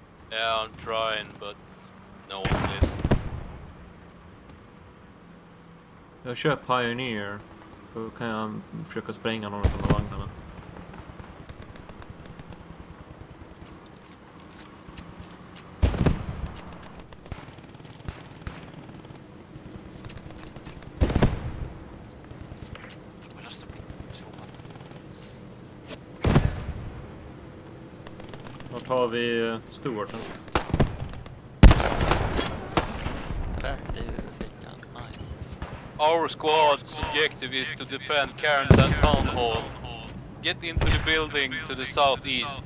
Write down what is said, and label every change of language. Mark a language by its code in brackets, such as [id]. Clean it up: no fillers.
[en] Yeah, I'm trying, but no one listens. [sv] Jag kör Pioneer. Då kan jag försöka spränga någon av de vagnarna. Har vi Stewarten? Där, det är ju fickan, nice. [en] Our squad's objective is to defend Carrington Town Hall. Get into the building to the southeast.